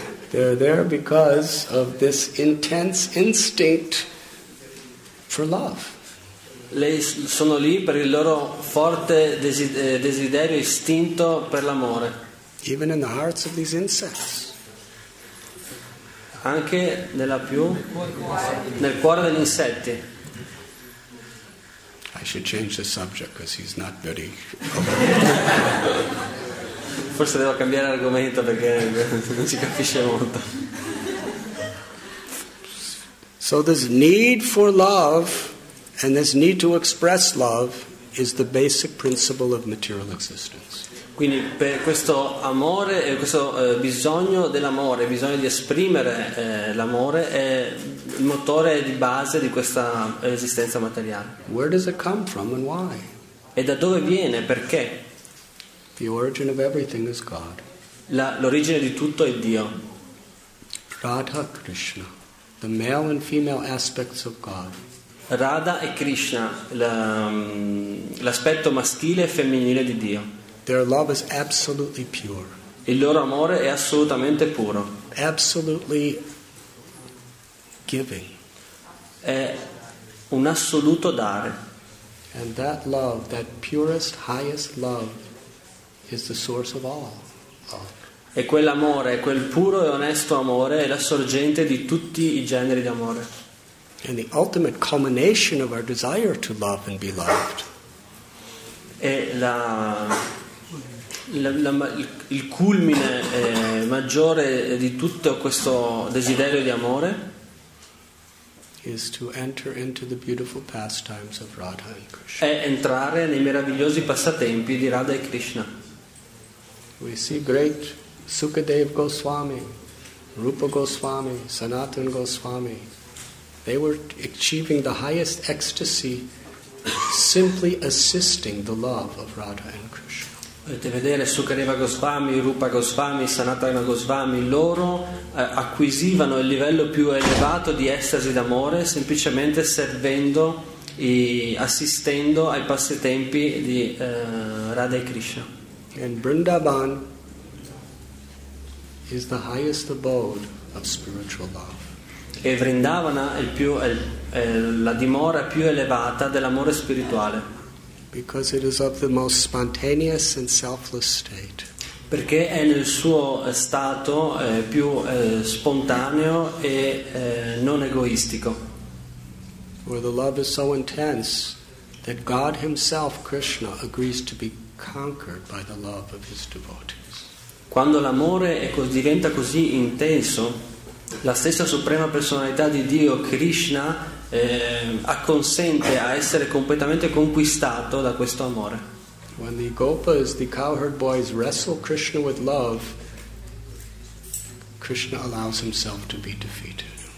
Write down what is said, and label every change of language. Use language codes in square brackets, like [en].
[en] They're there because of this intense instinct for love. [it] Lei sono lì per il loro forte desiderio istinto per l'amore. [en] Even in the hearts of these insects. [it] Anche nella più nel cuore degli insetti. [en] I should change the subject because he's not very. [it] Forse devo cambiare argomento perché non si capisce molto. [en] So this need for love and this need to express love is the basic principle of material existence. [it] Quindi per questo amore e questo bisogno dell'amore, bisogno di esprimere l'amore è il motore di base di questa esistenza materiale. [en] Where does it come from and why? [it] E da dove viene? Perché? [en] The origin of everything is God. [it] L'origine di tutto è Dio. [en] Radha Krishna, the male and female aspects of God. [it] Radha e Krishna, l'aspetto maschile e femminile di Dio. [en] Their love is absolutely pure. [it] Il loro amore è assolutamente puro. [en] Absolutely giving. [it] È un assoluto dare. [en] And that love, that purest, highest love, is the source of all. [it] E quell'amore, quel puro e onesto amore, è la sorgente di tutti i generi di amore. [en] And the ultimate culmination of our desire to love and be loved. [it] E il culmine maggiore di tutto questo desiderio di amore [en] is to enter into the beautiful pastimes of Radha and Krishna. [it] È entrare nei meravigliosi passatempi di Radha e Krishna. [en] We see great Sukadeva Goswami, Rupa Goswami, Sanatana Goswami. They were achieving the highest ecstasy simply assisting the love of Radha and Krishna. [it] Potete vedere Sukadeva Goswami, Rupa Goswami, Sanatana Goswami, loro acquisivano il livello più elevato di estasi d'amore semplicemente servendo e assistendo ai passatempi di Radha e Krishna. [en] And Vrindavan is the highest abode of spiritual love. [it] E Vrindavana è la dimora più elevata dell'amore spirituale. [en] Because it is of the most spontaneous and selfless state. [it] Perché è nel suo stato più spontaneo e non egoistico. [en] Where the love is so intense that God himself, Krishna, agrees to be conquered by the love of his devotees. [it] Quando l'amore diventa così intenso, la stessa suprema personalità di Dio, Krishna, acconsente a essere completamente conquistato da questo amore. [en] When the gopas, the cowherd boys, wrestle Krishna with love, Krishna allows himself to be defeated.